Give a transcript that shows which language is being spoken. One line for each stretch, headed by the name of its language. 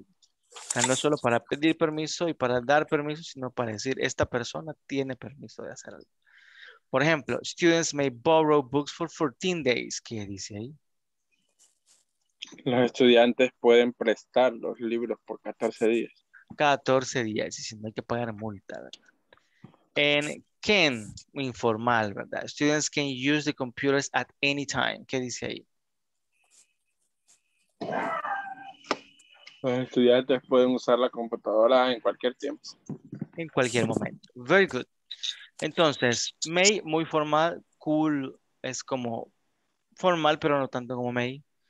Spanish: O sea, no solo para pedir permiso y para dar permiso, sino para decir esta persona tiene permiso de hacer algo. Por ejemplo,
English: students may borrow books for 14 days.
Spanish: ¿Qué dice ahí? Los estudiantes pueden prestar los libros por 14 días. 14 días, y si no hay que pagar multa, ¿verdad? En can, informal, ¿verdad?
English: Students can use the computers at any time.
Spanish: ¿Qué dice ahí? Los estudiantes pueden usar la computadora en cualquier tiempo. En cualquier momento.
English: Very good.
Spanish: Entonces, may, muy formal. Cool, es como formal, pero no tanto como may.